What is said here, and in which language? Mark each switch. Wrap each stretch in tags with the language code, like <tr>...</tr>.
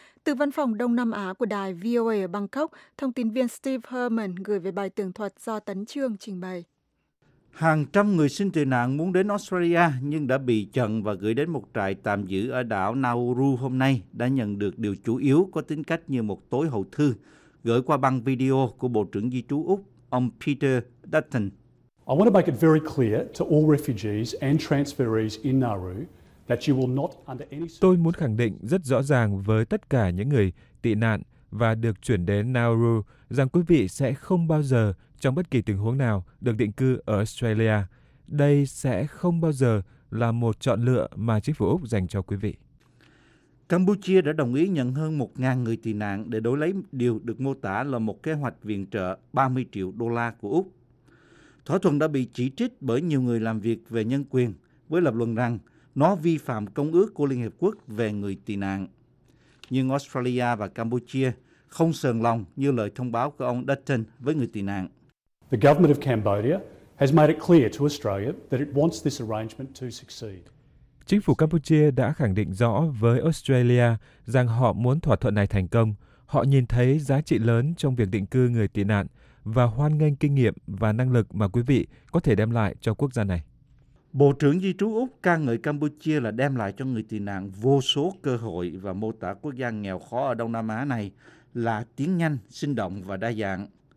<vi>Từ văn phòng Đông Nam Á của đài VOA ở Bangkok, thông tin viên Steve Herman gửi về bài tường thuật do Tấn Trương trình bày. Hàng trăm người xin tị nạn muốn đến Australia nhưng đã bị chặn và gửi đến một trại tạm giữ ở đảo Nauru hôm nay đã nhận được điều chủ yếu có tính cách như một tối hậu thư gửi qua băng video của Bộ trưởng Di trú Úc, ông Peter Dutton.</vi> <en>I want to make it very clear to all refugees and transferees in Nauru that you will not under any.</en> <vi>Tôi muốn khẳng định rất rõ ràng với tất cả những người tị nạn và được chuyển đến Nauru rằng quý vị sẽ không bao giờ trong bất kỳ tình huống nào được định cư ở Australia. Đây sẽ không bao giờ là một chọn lựa mà chính phủ Úc dành cho quý vị. Campuchia đã đồng ý nhận hơn 1.000 người tị nạn để đổi lấy điều được mô tả là một kế hoạch viện trợ 30 triệu đô la của Úc. Thỏa thuận đã bị chỉ trích bởi nhiều người làm việc về nhân quyền với lập luận rằng nó vi phạm Công ước của Liên Hiệp Quốc về người tị nạn. Nhưng Australia và Campuchia không sờn lòng như lời thông báo của ông Dutton với người tị nạn.</vi> <en>The government of Cambodia has made it clear to Australia that it wants this arrangement to succeed.</en> <vi>Chính phủ Campuchia đã khẳng định rõ với Australia rằng họ muốn thỏa thuận này thành công. Họ nhìn thấy giá trị lớn trong việc định cư người tị nạn và hoan nghênh kinh nghiệm và năng lực mà quý vị có thể đem lại cho quốc gia này. Bộ trưởng Di trú Úc ca ngợi Campuchia là đem lại cho người tị nạn vô số cơ hội và mô tả quốc gia nghèo khó ở Đông Nam Á này là tiến nhanh, sinh động và đa dạng.</vi>